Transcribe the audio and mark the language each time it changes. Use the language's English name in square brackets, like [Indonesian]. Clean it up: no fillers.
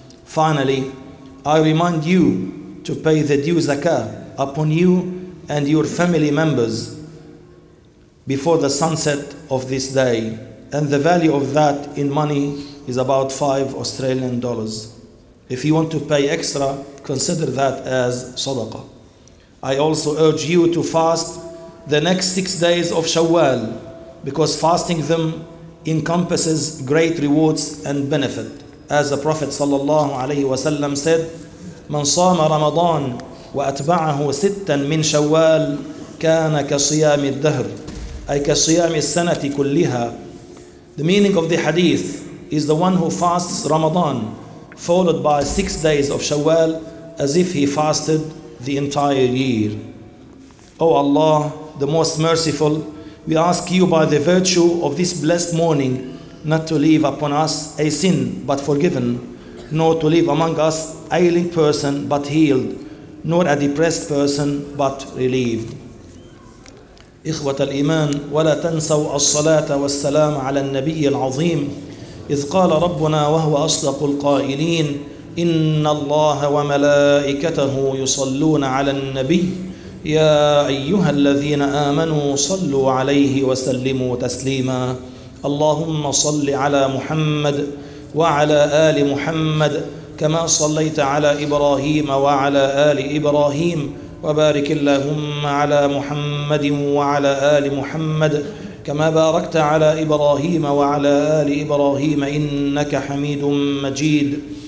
[English] Finally, I remind you to pay the due zakah upon you and your family members before the sunset of this day, and the value of that in money is about $5. If you want to pay extra, consider that as sadaqah. I also urge you to fast the next 6 days of Shawwal, because fasting them encompasses great rewards and benefit. As the Prophet sallallahu alayhi wasallam said, [Arabic] من صام رمضان وأتبعه ستا من شوال كان كصيام الدهر أي كصيام السنة كلها. [English] The meaning of the hadith is the one who fasts Ramadan followed by 6 days of Shawwal as if he fasted the entire year. O Allah, the most merciful, We ask you by the virtue of this blessed morning not to leave upon us a sin but forgiven, nor to leave among us an ailing person but healed, nor a depressed person but relieved. [Arabic] إخوة الإيمان ولا تنسوا الصلاة والسلام على النبي العظيم إذ قال ربنا وهو أصدق القائلين إن الله وملائكته يصلون على النبي يا أيها الذين آمنوا صلوا عليه وسلموا تسليما اللهم صل على محمد وعلى آل محمد كما صليت على إبراهيم وعلى آل إبراهيم وبارك اللهم على محمد وعلى آل محمد كما باركت على إبراهيم وعلى آل إبراهيم إنك حميد مجيد